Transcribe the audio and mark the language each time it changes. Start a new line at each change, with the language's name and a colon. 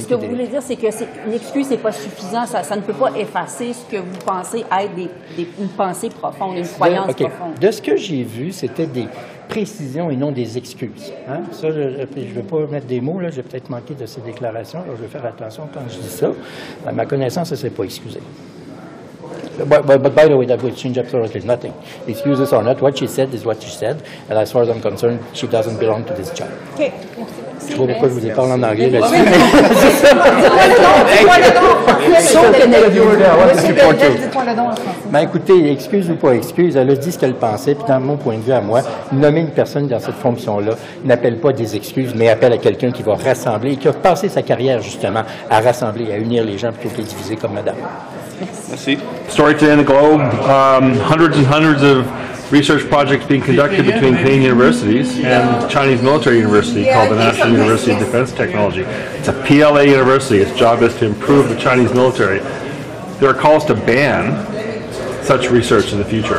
French: Mais ce que vous voulez dire, c'est que une excuse n'est pas suffisante. Ça ne peut pas effacer ce que vous pensez être une pensée profonde. De ce que j'ai vu, c'était des précisions et non des excuses. Hein? Ça, je ne vais pas mettre des mots, là, j'ai peut-être manqué de ces déclarations, alors je vais faire attention quand je dis ça. À ma connaissance, ça ne s'est pas excusé.
English: But by the way, that would change absolutely nothing. Excuses or not, what she said is what she said, and as far as I'm concerned, she doesn't belong to this job. OK.
French: Je ne sais pas pourquoi je vous ai parlé en anglais là-dessus. Non, dites-moi le don. Écoutez, excuse ou pas excuse, elle a dit ce qu'elle pensait, puis dans mon point de vue à moi, nommer une personne dans cette fonction-là n'appelle pas des excuses, mais appelle à quelqu'un qui va rassembler, qui a passé sa carrière, justement, à rassembler, à unir les gens plutôt que les diviser comme madame. Merci.
English: Story today in the Globe. Hundreds and hundreds of research projects being conducted between Canadian universities and Chinese military university called the National University of Defense Technology. It's a PLA university. Its job is to improve the Chinese military. There are calls to ban such research in the future.